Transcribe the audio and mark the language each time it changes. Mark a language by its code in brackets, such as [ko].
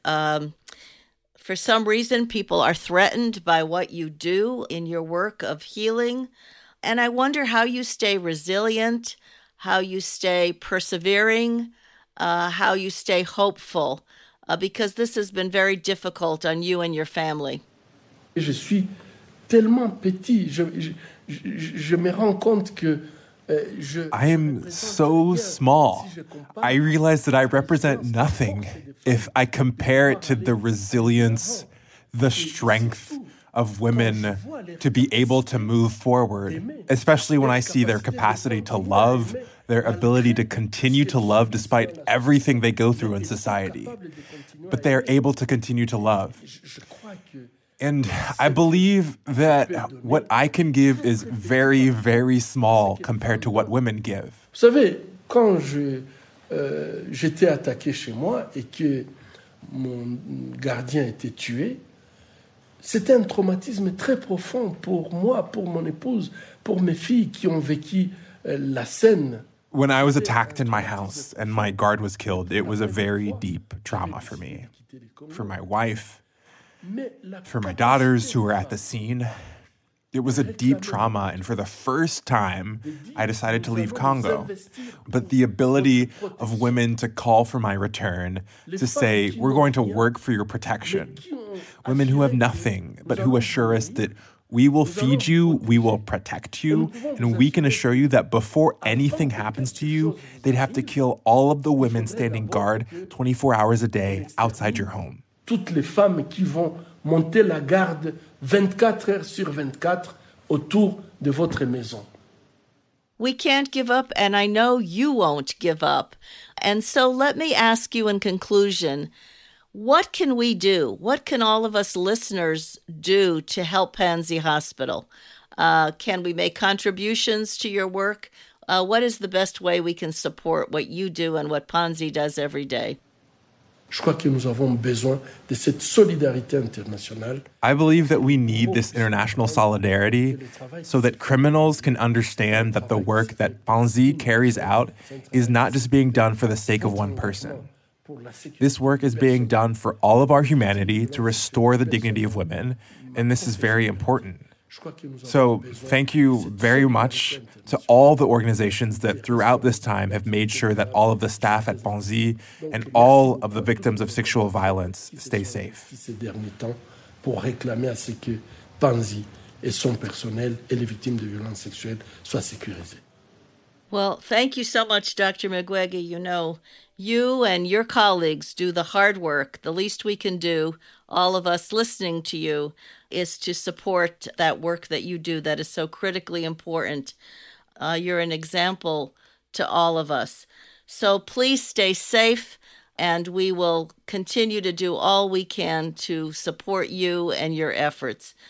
[en] For some reason, people are threatened by what you do in your work of healing. And I wonder how you stay resilient, how you stay persevering, how you stay hopeful, because this has been very difficult on you and your family. [fr] Je suis tellement petit, je me rends compte que. [en] I am so small. I realize that I represent nothing if I compare it to the resilience, the strength of women to be able to move forward, especially when I see their capacity to love, their ability to continue to love despite everything they go through in society. But they are able to continue to love. And I believe that what I can give is very, very small compared to what women give. [fr] Vous savez, quand j'étais attaqué chez moi et que mon gardien était tué, C'était un traumatisme très profond pour moi, pour mon épouse, pour mes filles qui ont vécu la scène. [en] When I was attacked in my house and my guard was killed, it was a very deep trauma for me, for my wife, for my daughters who were at the scene. It was a deep trauma, and for the first time, I decided to leave Congo. But the ability of women to call for my return, to say, we're going to work for your protection. Women who have nothing, but who assure us that we will feed you, we will protect you, and we can assure you that before anything happens to you, they'd have to kill all of the women standing guard 24 hours a day outside your home. [fr] Toutes les femmes qui vont monter la garde 24 heures sur 24 autour de votre maison. [en] We can't give up, and I know you won't give up. And so let me ask you in conclusion, what can we do? What can all of us listeners do to help Panzi Hospital? Can we make contributions to your work? What is the best way we can support what you do and what Panzi does every day? [fr] Je crois que nous avons besoin de cette solidarité internationale. [en] I believe that we need this international solidarity so that criminals can understand that the work that Panzi carries out is not just being done for the sake of one person. This work is being done for all of our humanity to restore the dignity of women, and this is very important. So thank you very much to all the organizations that throughout this time have made sure that all of the staff at Panzi and all of the victims of sexual violence stay safe. [fr] Pour réclamer à ce que Panzi et son personnel et les victimes de violences sexuelles soient sécurisées. [en] Well, thank you so much, Dr. Mukwege. You know, you and your colleagues do the hard work. The least we can do, all of us listening to you, is to support that work that you do that is so critically important. You're an example to all of us. So please stay safe, and we will continue to do all we can to support you and your efforts.